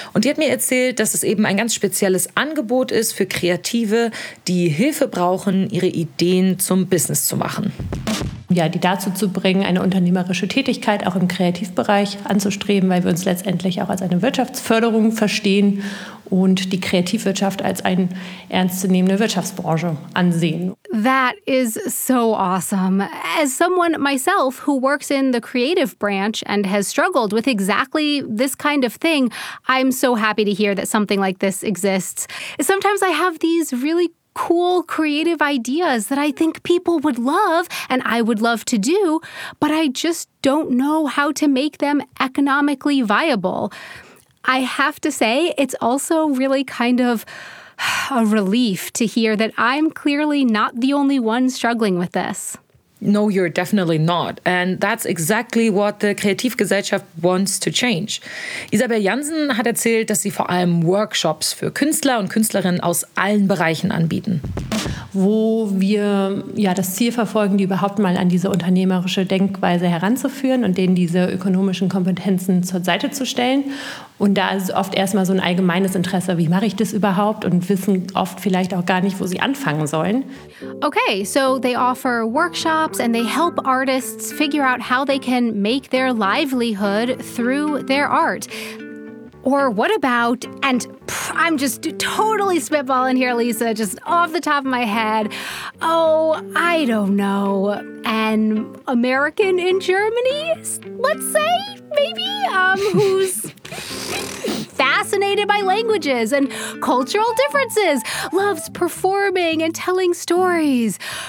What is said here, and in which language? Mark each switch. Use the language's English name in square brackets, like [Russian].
[German] Und die hat mir erzählt, dass es eben ein ganz spezielles Angebot ist für Kreative, die Hilfe brauchen, ihre Ideen zum Business zu machen. Ja, die dazu zu bringen, eine unternehmerische Tätigkeit auch im Kreativbereich anzustreben, weil wir uns letztendlich auch als eine Wirtschaftsförderung verstehen und die Kreativwirtschaft als eine ernstzunehmende Wirtschaftsbranche ansehen. [English] That is so awesome. As someone myself who works in the creative branch and has struggled with exactly this kind of thing, I'm so happy to hear that something like this exists. Sometimes I have these really cool creative ideas that I think people would love and I would love to do, but I just don't know how to make them economically viable. I have to say, it's also really kind of a relief to hear that I'm clearly not the only one struggling with this. No, you're definitely not. And that's exactly what the Kreativgesellschaft wants to change. [German] Isabel Jansen hat erzählt, dass sie vor allem Workshops für Künstler und Künstlerinnen aus allen Bereichen anbieten. Wo wir ja das Ziel verfolgen, die überhaupt mal an diese unternehmerische Denkweise heranzuführen und denen diese ökonomischen Kompetenzen zur Seite zu stellen. Und da ist oft erstmal so ein allgemeines Interesse, wie mache ich das überhaupt, und wissen oft vielleicht auch gar nicht, wo sie anfangen sollen. [English] Okay, so they offer workshops and they help artists figure out how they can make their livelihood through their art. Or what about, and I'm just totally spitballing here, Lisa, just off the top of my head, oh, I don't know, an American in Germany, let's say, maybe, who's fascinated by languages and cultural differences, loves performing and telling stories.